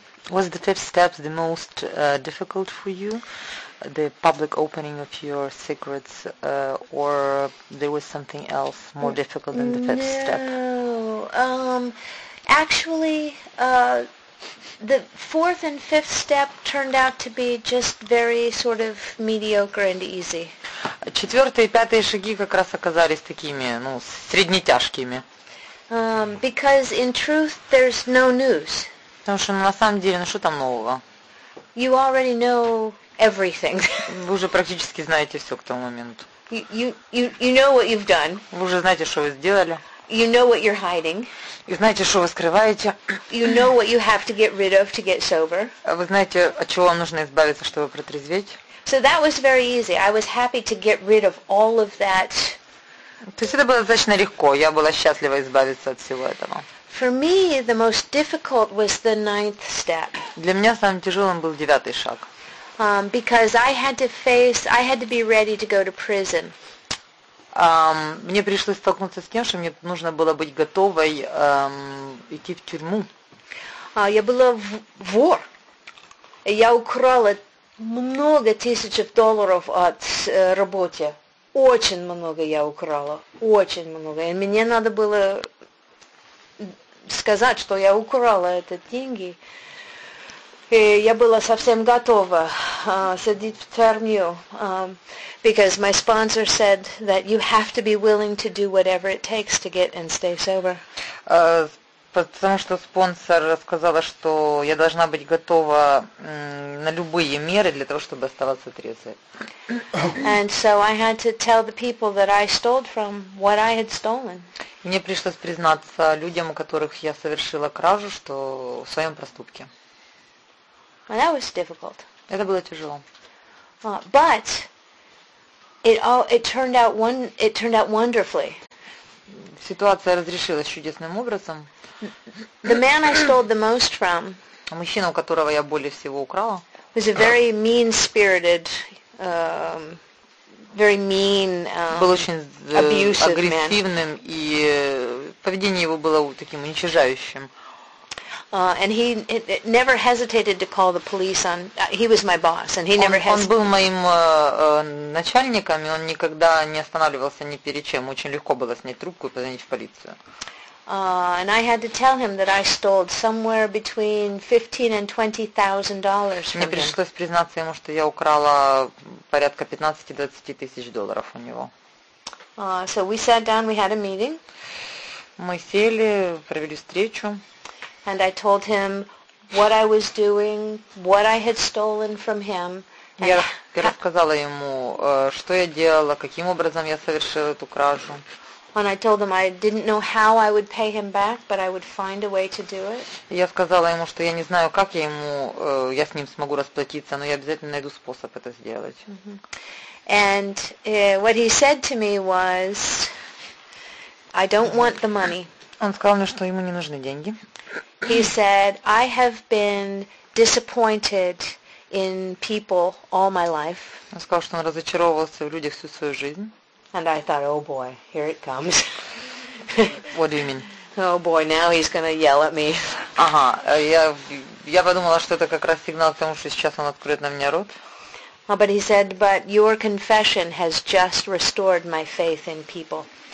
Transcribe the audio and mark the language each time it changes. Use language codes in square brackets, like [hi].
[en] Was the fifth step the most difficult for you, the public opening of your secrets, or there was something else more difficult than the fifth step? No, actually, the fourth and fifth step turned out to be just very sort of mediocre and easy. [ru] Четвертые и пятые шаги как раз оказались такими, ну, среднетяжкими. [en] Because in truth, there's no news. [ru] Потому что на самом деле, ну что там нового? [en] You already know everything. [ru] Вы уже практически знаете все к тому моменту. [en] You know what you've done. [ru] Вы уже знаете, что вы сделали. [en] You know what you're hiding. [ru] И знаете, что вы скрываете. [en] You know what you have to get rid of to get sober. [ru] Вы знаете, от чего вам нужно избавиться, чтобы протрезветь. [en] So that was very easy. I was happy to get rid of all of that. [ru] То есть это было достаточно легко. Я была счастлива избавиться от всего этого. [en] For me, the most difficult was the ninth step. [ru] Для меня самым тяжелым был девятый шаг. [en] Because I had to face, I had to be ready to go to prison. [ru] Мне пришлось столкнуться с тем, что мне нужно было быть готовой идти в тюрьму. Я была вор. Я украла много тысяч долларов от работы. Очень много я украла, очень много. И мне надо было сказать, что я украла эти деньги. И я была совсем готова сидеть в тюрьме, [en] because my sponsor said that you have to be willing to do whatever it takes to get and stay sober. [ru] Потому что спонсор сказала, что я должна быть готова на любые меры для того, чтобы оставаться трезвой. [en] And so I had to tell the people that I stole from what I had stolen. [ru] Мне пришлось признаться людям, у которых я совершила кражу, что в своем проступке. [en] And that was difficult. [ru] Это было тяжело. [en] But it turned out wonderfully. [ru] Ситуация разрешилась чудесным образом. [en] The man I stole the most from, [ru] мужчина, у которого я более всего украла, [en] was a very mean-spirited, very mean, [ru] был очень агрессивным, [en] man. [ru] И поведение его было таким уничижающим. [en] And he never hesitated to call the police on. He was my boss, and he never hesitated. [ru] Он был моим начальником, и он никогда не останавливался ни перед чем. Очень легко было снять трубку и позвонить в полицию. [en] And I had to tell him that I stole somewhere between $15,000 and $20,000 from him. [ru] Мне пришлось признаться ему, что я украла порядка 15-20 тысяч долларов у него. [en] So we sat down, we had a meeting. [ru] Мы сели, провели встречу. [en] And I told him what I was doing, what I had stolen from him. [ru] Я рассказала ему, что я делала, каким образом я совершила эту кражу. [en] And I told him I didn't know how I would pay him back, but I would find a way to do it. [ru] Я сказала ему, что я не знаю, как я ему, я с ним смогу расплатиться, но я обязательно найду способ это сделать. Mm-hmm. [en] And what he said to me was, I don't want the money. [ru] Он сказал мне, что ему не нужны деньги. [en] He said, I have been disappointed in people all my life. [ru] Он сказал, что он разочаровывался в людях всю свою жизнь. [en] And I thought, oh boy, here it comes. What do you mean? Oh boy, now he's going to yell at me. [ru] Ага, я подумала, что это как раз сигнал к тому, что сейчас он откроет на меня рот. [en] But he said, but your confession has just restored my faith in people.